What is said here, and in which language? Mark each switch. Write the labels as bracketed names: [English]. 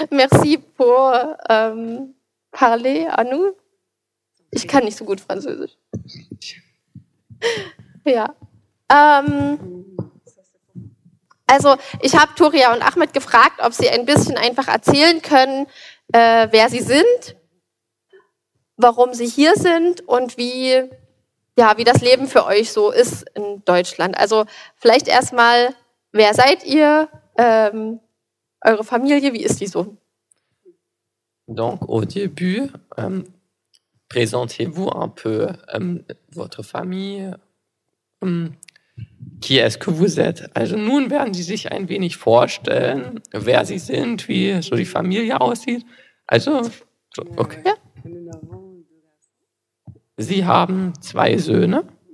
[French] Merci pour parler à nous. [German] Ich kann nicht so gut Französisch. Ja. Also, ich habe Turia und Ahmed gefragt, ob sie ein bisschen einfach erzählen können, wer sie sind, warum sie hier sind und wie, ja, wie das Leben für euch so ist in Deutschland. Also vielleicht erstmal, wer seid ihr, eure Familie, wie ist die so? [French] Donc au début, présentez-vous un peu votre famille. Qui est-ce que vous êtes? [German] Also nun werden sie sich ein wenig vorstellen, wer sie sind, wie so die Familie aussieht. Also, so, okay. Ja. Sie haben zwei Söhne.